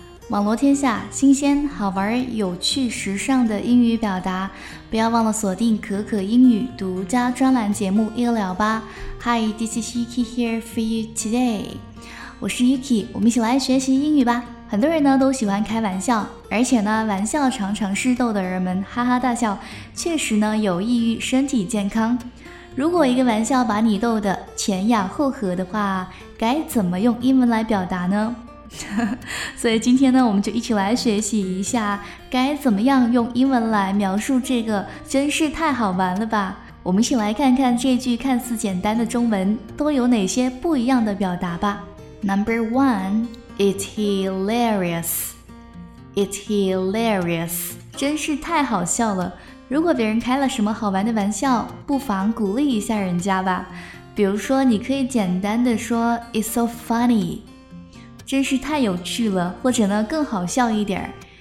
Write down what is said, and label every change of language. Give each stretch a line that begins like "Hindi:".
Chinese: 网罗天下新鲜好玩有趣时尚的英语表达，不要忘了锁定可可英语独家专栏节目一了吧。
English: Hi, this is Yuki here for you today.
Chinese: 我是 Yuki, 我们一起来学习英语吧。很多人呢都喜欢开玩笑，而且呢玩笑常常是逗得人们哈哈大笑，确实呢有益于身体健康。如果一个玩笑把你逗得前仰后合的话，该怎么用英文来表达呢？所以今天呢我们就一起来学习一下该怎么样用英文来描述这个真是太好玩了吧。我们一起来看看这句看似简单的中文都有哪些不一样的表达吧。
English: Number one, it's hilarious. It's hilarious.
Chinese: 真是太好笑了。如果别人开了什么好玩的玩笑，不妨鼓励一下人家吧。比如说你可以简单的说
English: It's so funny.
Chinese: 真是太有趣了，或者呢更好笑一点。